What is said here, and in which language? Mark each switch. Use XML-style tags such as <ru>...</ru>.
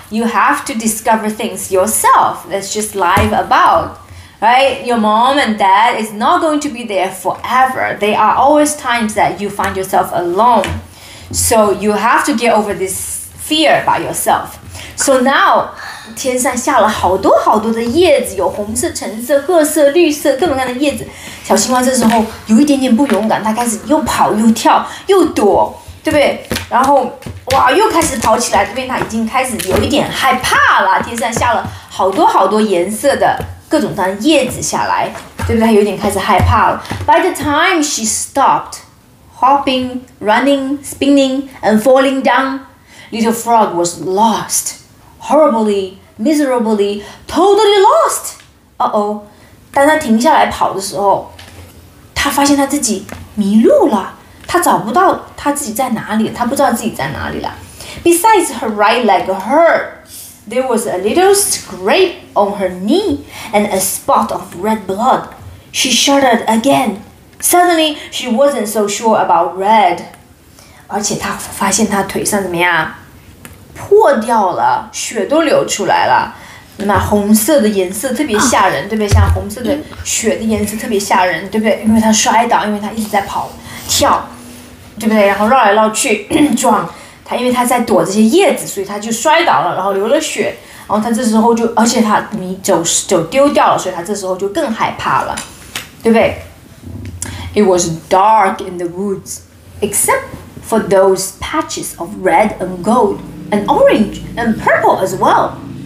<en>You have to discover things yourself. That's just life about, right? Your mom and dad is not going to be there forever. There are always times that you find yourself alone. So you have to get over this fear by yourself. So now,</en> <zh>天上下了好多好多的叶子，有红色、橙色、褐色、绿色，各种各样的叶子。小青蛙这时候有一点点不勇敢，它开始又跑又跳又躲，对不对？然后哇，又开始跑起来，这边它已经开始有一点害怕了。天上下了好多好多颜色的各种各样的叶子下来，对不对？它有点开始害怕了。</zh> <en>By the time she stopped hopping, running, spinning, and falling down, little frog was lost. Horribly, miserably, totally lost. Uh-oh.</en> <zh>当他停下来跑的时候，他发现他自己迷路了。他找不到他自己在哪里，他不知道自己在哪里了。</zh> <en>Besides her right leg hurt, there was a little scrape on her knee and a spot of red blood. She shuddered again. Suddenly, she wasn't so sure about red.</en> <zh>而且他发现他腿上怎么样？破掉了，血都流出来了，那红色的颜色特别吓人，对不对？像红色的血的颜色特别吓人，对不对？因为他摔倒，因为他一直在跑跳，对不对？然后绕来绕去撞他，因为他在躲这些叶子，所以他就摔倒了，然后流了血，然后他这时候就，而且他你走丢掉了，所以他这时候就更害怕了，对不对？</zh> <en>It was dark in the woods except for those patches of red and goldand orange and purple as well.</en>